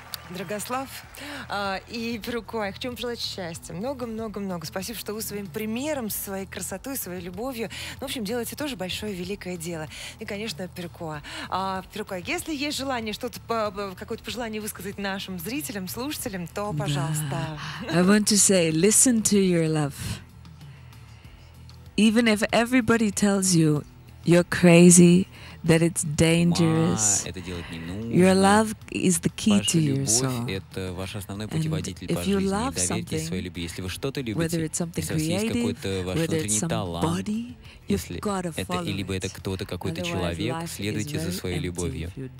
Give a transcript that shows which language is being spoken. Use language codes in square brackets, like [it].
[ru] Драгослав и Перукуа. Я хочу вам пожелать счастья. Много-много-много. Спасибо, что вы своим примером, своей красотой, своей любовью, ну, в общем, делаете тоже большое великое дело. И, конечно, Перукуа. Перукуа, если есть желание что-то, какое-то пожелание высказать нашим зрителям, слушателям, то, пожалуйста. [en] I want to say, listen to your love. Even if everybody tells you you're crazy, that it's dangerous. Your love is the key to your soul. [ru] Это ваш основной путеводитель по жизни. Доверьте своей любви. Если вы что-то любите, [en] whether it's something creative, whether it's somebody, you've got to follow it. [ru] Если либо это кто-то, какой-то человек, следуйте за своей любовью.